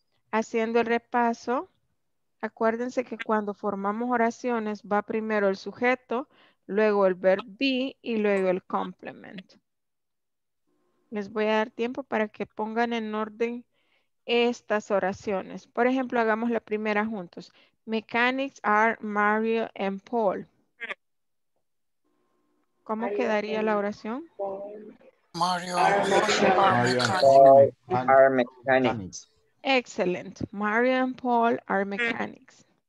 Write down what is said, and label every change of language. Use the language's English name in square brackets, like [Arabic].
[Spanish] Haciendo el repaso, acuérdense que cuando formamos oraciones va primero el sujeto, luego el verb be y luego el complement. Les voy a dar tiempo para que pongan en orden estas oraciones. Por ejemplo, hagamos la primera juntos. [English] Mechanics are Mario and Paul. [Spanish] ¿Cómo quedaría la oración? [English] Mario and Paul are mechanics. Excellent. Mario and Paul are mechanics.